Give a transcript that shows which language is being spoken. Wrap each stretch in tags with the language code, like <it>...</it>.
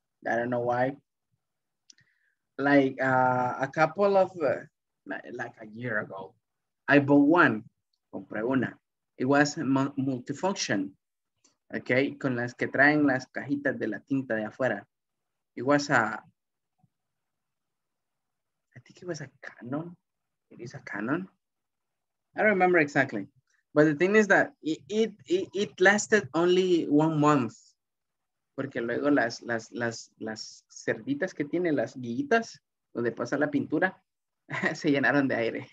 <en>I don't know why. Like a couple of, like a year ago, I bought one.</en> <es>Compré una.</es> <en>It was multifunction, okay?</en> <es>Con las que traen las cajitas de la tinta de afuera.</es> <en>It was a, I think it was a Canon. It is a Canon. I don't remember exactly. But the thing is that it lasted only 1 month.</en> <es>Porque luego las cerditas que tiene, las guillitas, donde pasa la pintura, se llenaron de aire.</es>